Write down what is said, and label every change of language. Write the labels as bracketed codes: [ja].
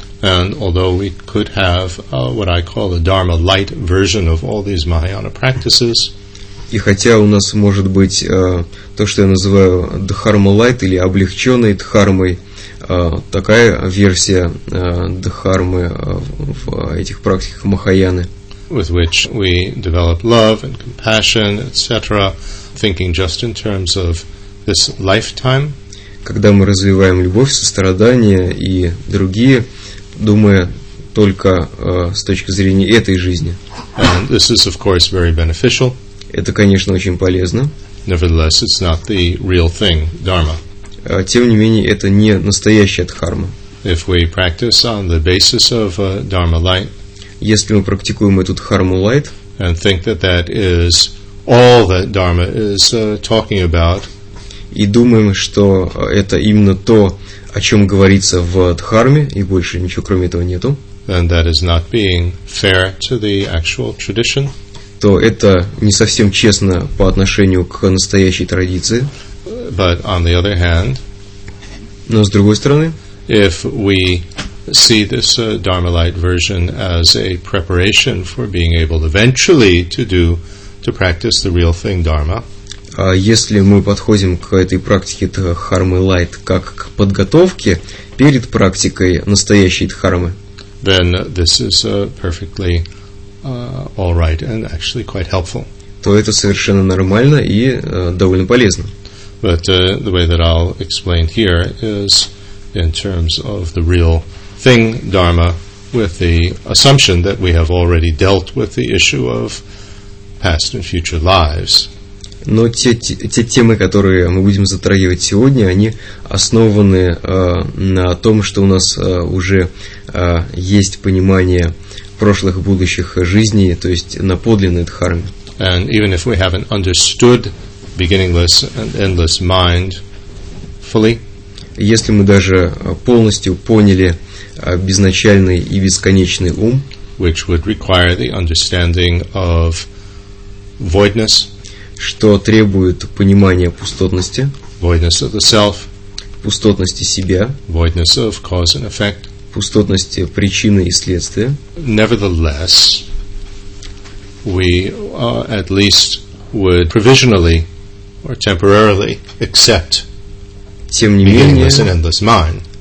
[en] And although we could have what I call a Dharma light version of all these Mahayana practices, [ru] и хотя у нас может быть то, что я называю Dharma light или облегченной Дхармой, такая версия Дхармы в этих практиках Махаяны, [en] with which we develop love and compassion, etc., thinking just in terms of this lifetime, [ru] когда мы развиваем любовь, сострадание и другие, думая только с точки зрения этой жизни. [en] And this is, of course, very beneficial. [ru] Это, конечно, очень полезно. [en] Nevertheless, it's not the real thing, Dharma. [ru] Тем не менее, это не настоящая дхарма. [en] If we practice on the basis of Dharma light, [ru] если мы практикуем эту дхарму light, [en] and think that that is all that Dharma is talking about, [ru] и думаем, что это именно то, о чем говорится в дхарме, и больше ничего кроме этого нету, [en] then that is not being fair to the actual tradition, [ru] то это не совсем честно по отношению к настоящей традиции. [en] But on the other hand, [ru] но с другой стороны, [en] if we see this Dharma light version as a preparation for being able eventually to do, to practice the real thing Dharma, [ru] если мы подходим к этой практике Дхармы light как к подготовке перед практикой настоящей Дхармы, [en] then this is perfectly all right and actually quite helpful. [ru] То это совершенно нормально и довольно полезно. [en] But the way that I'll explain here is in terms of the real thing Dharma, with the assumption that we have already dealt with the issue of past and future lives. [ru] Но те темы, которые мы будем затрагивать сегодня, они основаны на том, что у нас уже есть понимание прошлых и будущих жизней, то есть на подлинной дхарме. [en] And even if we haven't understood beginningless and endless mind fully, [ru] если мы даже полностью поняли безначальный и бесконечный ум, [en] which would require the understanding of voidness, [ru] что требует понимания пустотности, [en] voidness of the self, [ru] пустотности себя, [en] voidness of cause and effect, [ru] пустотности причины и следствия. [en] Nevertheless, we at least would provisionally or temporarily accept meaningless and endless mind.